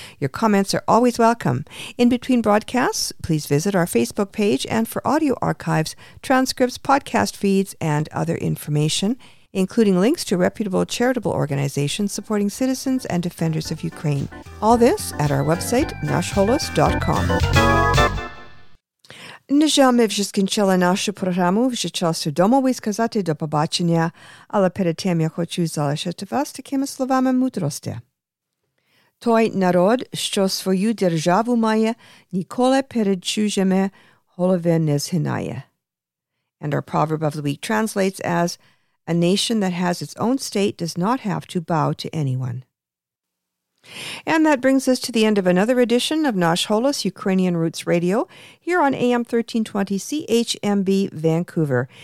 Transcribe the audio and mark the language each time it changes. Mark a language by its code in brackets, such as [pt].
[en] Your comments are always welcome. In between broadcasts, please visit our Facebook page and for audio archives, transcripts, podcast feeds, and other information, including links to reputable charitable organizations supporting citizens and defenders of Ukraine. All this at our website, noshholos.com. [uk] Нежа ми вже скінчили нашу програму, вже часу домові сказати до побачення, але перед тим я хочу залишити вас такими словами мудрості. Той народ, що свою державу має, ніколи перед чужими голови не згинає. [en] And our proverb of the week translates as, a nation that has its own state does not have to bow to anyone. And that brings us to the end of another edition of Nash Holos Ukrainian Roots Radio here on AM 1320 CHMB Vancouver.